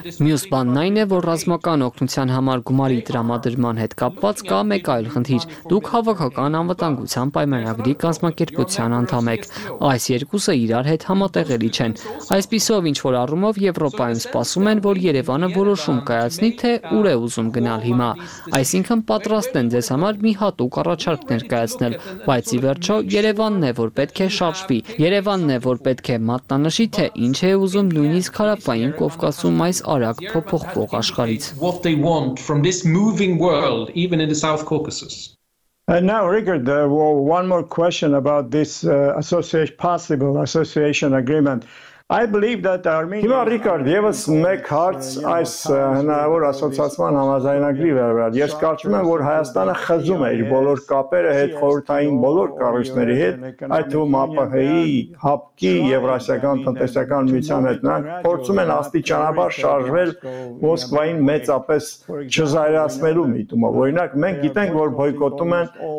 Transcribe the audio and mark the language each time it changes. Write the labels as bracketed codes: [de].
[hy] Մյուս բանն այն է, որ ռազմական օգնության համար գումարի դրամադրման հետ կապված կա մեկ այլ խնդիր։ Դուք հավաքական անվտանգության պայմանագրի կազմակերպության անդամ եք։ Այս երկուսը իրար հետ համատեղելի չեն։ Այսպիսով, ինչ որ առումով Եվրոպայում սպասում են, որ Երևանը որոշում կայացնի, թե ուր է ուզում գնալ հիմա, այսինքն պատրաստ են ձեզ համար մի հատուկ առաջարկ ներկայացնել, բայց ի վերջո Երևանն է, որ պետք է շարժվի։ Երևանն է, որ պետք է մատնանշի, թե ինչ է ուզում նույնիսկ Հարավային Կովկասում այս արագ փոփոխվող աշխարհից։ [en] And now, Richard, one more question about this possible association agreement. I believe that Armenia. [hy] Հիմա Ռիկարդ, եւս մեկ հարց այս հնարավոր ասոցիացիան համազայնագրի վերաբերյալ։ Ես կարծում եմ, որ Հայաստանը խզում է իր բոլոր կապերը հետ խորհրդային բոլոր կառույցների հետ, այդ թվում ԱՊՀ-ի, ՀԱՊԿ-ի, Եվրասիական տնտեսական միության հետ։ Նրանք փորձում են աստիճանաբար շարժվել Մոսկվային մեծապես չզայրացնելու միտումը։ Օրինակ, մենք գիտենք, որ բոյկոտում են